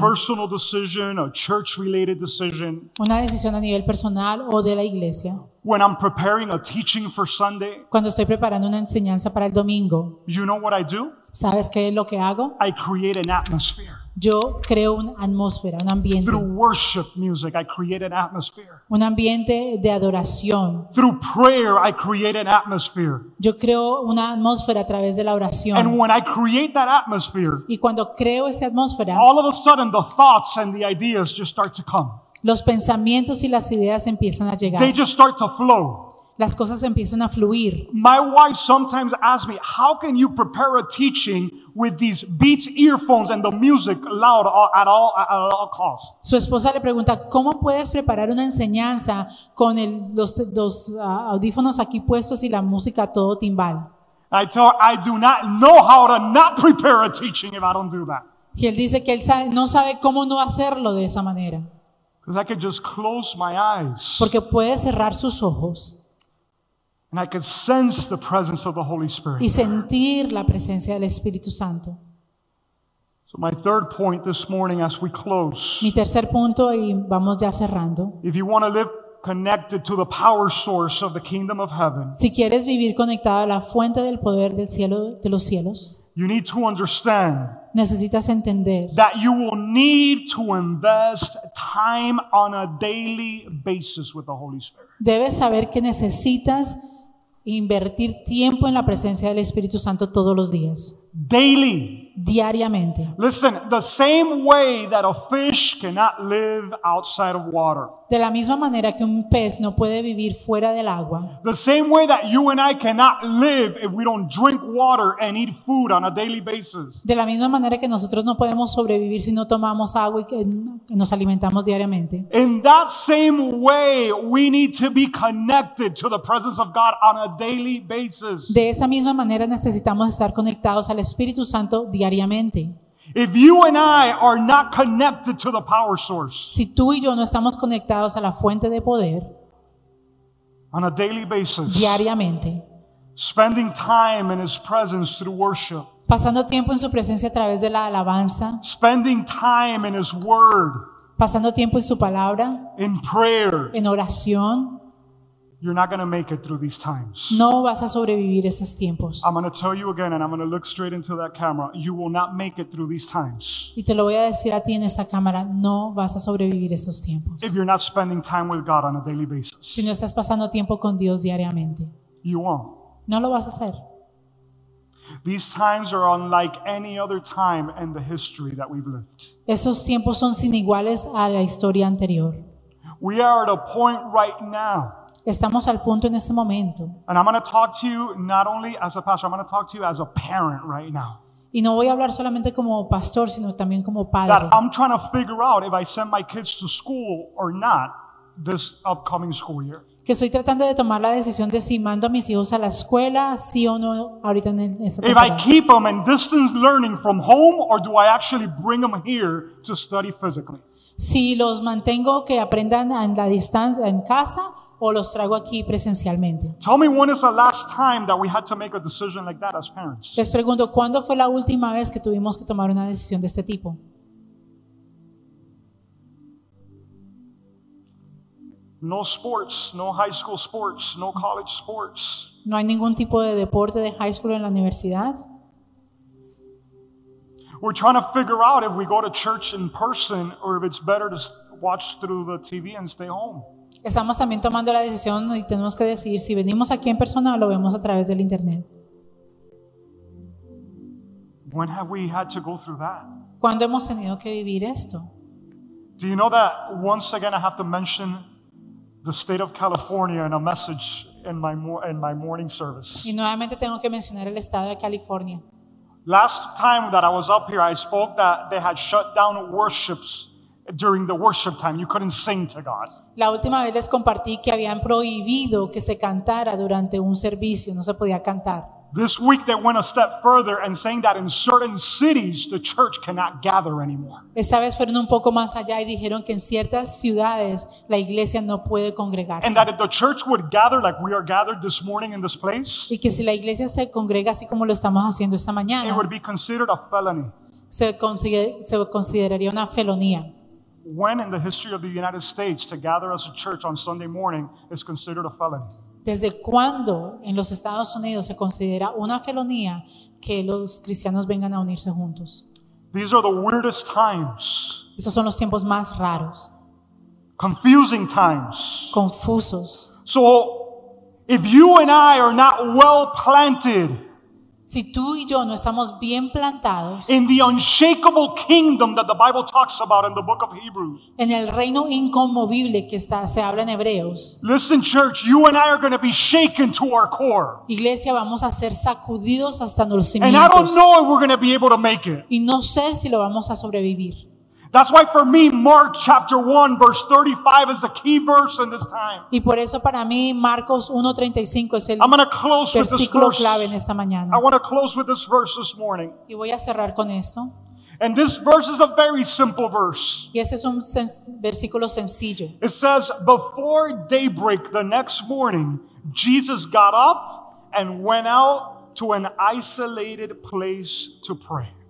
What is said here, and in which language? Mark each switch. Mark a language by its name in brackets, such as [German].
[English] A personal decision, a church-related decision. [Spanish] Una decisión a nivel personal o de la iglesia. [English] When I'm preparing a teaching for Sunday, [Spanish] cuando estoy preparando una enseñanza para el domingo, [English] you know what I do? [Spanish] ¿Sabes qué es lo que hago? [English] I create an atmosphere. [Spanish] Yo creo una atmósfera, un ambiente. [English] Through worship music, I create an atmosphere. [Spanish] Un ambiente de adoración. [English] Through prayer, I create an atmosphere. [Spanish] Yo creo una atmósfera a través de la oración. [English] And when I create that atmosphere, [Spanish] y cuando creo esa atmósfera, [English] all of a sudden the thoughts and the ideas just start to come. [Spanish] Los pensamientos y las ideas empiezan a llegar. [English] They just start to flow. [Spanish] Las cosas empiezan a fluir. [English] My wife sometimes asks me, "How can you prepare a teaching with these Beats earphones and the music loud at all costs?" [Spanish] Su esposa le pregunta, "¿Cómo puedes preparar una enseñanza con los audífonos aquí puestos y la música a todo timbal?" [English] I tell her, "I do not know how to not prepare a teaching if I don't do that." [Spanish] Y él dice que él no sabe cómo no hacerlo de esa manera. [English] I could just close my eyes. [Spanish] Porque puede cerrar sus ojos. [English] And I could sense the presence of the Holy Spirit. [Spanish] Y sentir la presencia del Espíritu Santo. [English] So my third point this morning as we close. [Spanish] Mi tercer punto y vamos ya cerrando. [English] If you want to live connected to the power source of the kingdom of heaven. [Spanish] Si quieres vivir conectado a la fuente del poder del cielo de los cielos. [English] You need to understand. [Spanish] Necesitas entender. [English] That you will need to invest time on a daily basis with the Holy Spirit. [Spanish] Debes saber que necesitas invertir tiempo en la presencia del Espíritu Santo todos los días. [English] Daily. [Spanish] Diariamente. [English] Listen, the same way that a fish cannot live outside of water. [Spanish] De la misma manera que un pez no puede vivir fuera del agua. [English] The same way that you and I cannot live if we don't drink water and eat food on a daily basis. [Spanish] De la misma manera que nosotros no podemos sobrevivir si no tomamos agua y que nos alimentamos diariamente. [English] In that same way, we need to be connected to the presence of God on a daily basis. [Spanish] De esa misma manera necesitamos estar conectados al Espíritu Santo diariamente. [English] If you and I are not connected to the power source, [Spanish] si tú y yo no estamos conectados a la fuente de poder, [English] on a daily basis, [Spanish] diariamente, [English] spending time in his presence through worship, [Spanish] pasando tiempo en su presencia a través de la alabanza, [English] spending time in his word, [Spanish] pasando tiempo en su palabra, [English] in prayer, [Spanish] en oración, [English] you're not going to make it through these times. [Spanish] No vas a sobrevivir esos tiempos. [English] I'm going to tell you again, and I'm going to look straight into that camera. You will not make it through these times. [Spanish] Y te lo voy a decir a ti en esa cámara. No vas a sobrevivir esos tiempos. [English] If you're not spending time with God on a daily basis. [Spanish] Si no estás pasando tiempo con Dios diariamente. [English] You won't. [Spanish] No lo vas a hacer. [English] These times are unlike any other time in the history that we've lived. [Spanish] Esos tiempos son sin iguales a la historia anterior. [English] We are at a point right now. [Spanish] Estamos al punto en este momento. [English] And I'm going to talk to you not only as a pastor, I'm going to talk to you as a parent right now. [Spanish] Y no voy a hablar solamente como pastor, sino también como padre. [English] That I'm trying to figure out if I send my kids to school or not this upcoming school year. [Spanish] Que estoy tratando de tomar la decisión de si mando a mis hijos a la escuela, sí o no, ahorita en esta temporada. [English] If I keep them in distance learning from home, or do I actually bring them here to study physically? [Spanish] Si los mantengo que aprendan en la distancia en casa, o los traigo aquí presencialmente. [English] Tell me, when is the last time that we had to make a decision like that as parents? [Spanish] Les pregunto, ¿cuándo fue la última vez que tuvimos que tomar una decisión de este tipo? [English] No sports, no high school sports, no college sports. [Spanish] No hay ningún tipo de deporte de high school en la universidad. [English] We're trying to figure out if we go to church in person or if it's better to watch through the TV and stay home. [Spanish] Estamos también tomando la decisión y tenemos que decidir si venimos aquí en persona o lo vemos a través del internet. [English] When have we had to go through that? [Spanish] ¿Cuándo hemos tenido que vivir esto? [English] Do you know that once again I have to mention the state of California in a message in my morning service? [Spanish] Y nuevamente tengo que mencionar el estado de California. [English] Last time that I was up here, I spoke that they had shut down worships. During the worship time, you couldn't sing to God. [Spanish] La última vez les compartí que habían prohibido que se cantara durante un servicio, no se podía cantar. [English] This week they went a step further and saying that in certain cities the church cannot gather anymore. [Spanish] Esta vez fueron un poco más allá y dijeron que en ciertas ciudades la iglesia no puede congregarse. [English] And that if the church would gather like we are gathered this morning in this place. [Spanish] Y que si la iglesia se congrega así como lo estamos haciendo esta mañana. [English] It would be considered a felony. [Spanish] Se consideraría una felonía. [English] When in the history of the United States to gather as a church on Sunday morning is considered a felony? [Spanish] ¿Desde cuándo en los Estados Unidos se considera una felonía que los cristianos vengan a unirse juntos? [English] These are the weirdest times. [Spanish] Esos son los tiempos más raros. [English] Confusing times. [Spanish] Confusos. [English] So if you and I are not well planted, [Spanish] si tú y yo no estamos bien plantados [English] in the unshakable kingdom that the Bible talks about in the book of Hebrews, [Spanish] en el reino inconmovible que está, se habla en Hebreos. [English] Listen, church, you and I are going to be shaken to our core. [Spanish] Iglesia, vamos a ser sacudidos hasta los cimientos. [English] And I don't know if we're going to be able to make it. [Spanish] Y no sé si lo vamos a sobrevivir. [English] That's why for me, Mark chapter 1, verse 35 is the key verse in this time. [Spanish] Y por eso para mí, Marcos 1:35 es el versículo clave en esta mañana. [English] I want to close with this verse this morning. [Spanish] Y voy a cerrar con esto. [English] And this verse is a very simple verse. [Spanish] Y este es un versículo sencillo. [English] It says, before daybreak the next morning, Jesus got up and went out to an isolated place to pray.